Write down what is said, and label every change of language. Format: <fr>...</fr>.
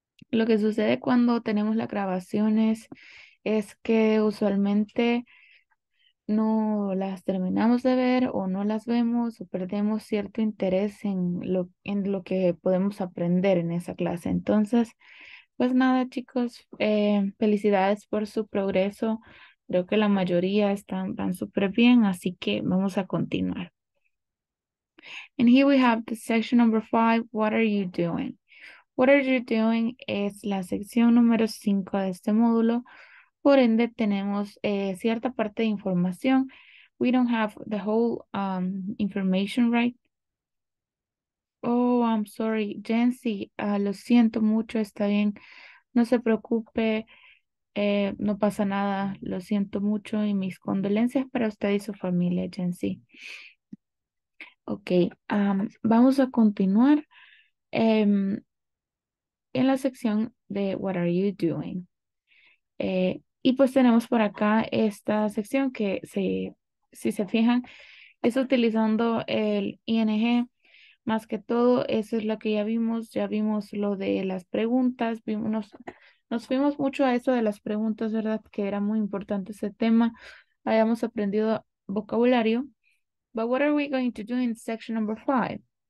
<es>Lo que sucede cuando tenemos las grabaciones es que usualmente no las terminamos de ver o no las vemos o perdemos cierto interés en lo que podemos aprender en esa clase. Entonces, pues nada, chicos, felicidades por su progreso. Creo que la mayoría van súper bien, así que vamos a continuar.</es> <en>And here we have the section number five, what are you doing? What are you doing</en> <es>es la sección número 5 de este módulo. Por ende, tenemos cierta parte de información.</es> <en>We don't have the whole information, right? Oh, I'm sorry, Jency.</en> <es>Lo siento mucho, está bien. No se preocupe, no pasa nada. Lo siento mucho y mis condolencias para usted y su familia, Jency. Ok, vamos a continuar en la sección de</es> <en>What are you doing?</en> <es>Y pues tenemos por acá esta sección que si se fijan, es utilizando el ING. Más que todo, eso es lo que ya vimos. Ya vimos lo de las preguntas. Nos fuimos mucho a eso de las preguntas, ¿verdad? Que era muy importante ese tema. Habíamos aprendido vocabulario.</es> <en>But what are we going to do in section number five?</en>